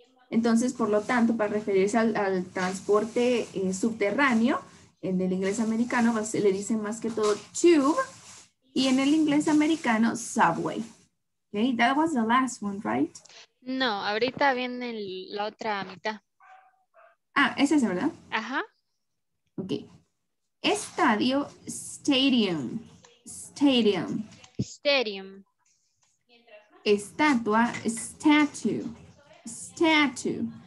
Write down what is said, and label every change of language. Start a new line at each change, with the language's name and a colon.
Spanish: Entonces, por lo tanto, para referirse al transporte subterráneo, en el inglés americano se le dice más que todo tube, y en el inglés americano, subway.
English: Okay, that was the last one, right?
Spanish: No, ahorita viene la otra mitad. Ah, esa es la verdad. Ajá. Ok. Estadio,
English: stadium. Stadium. Stadium. Estatua, statue. Statue.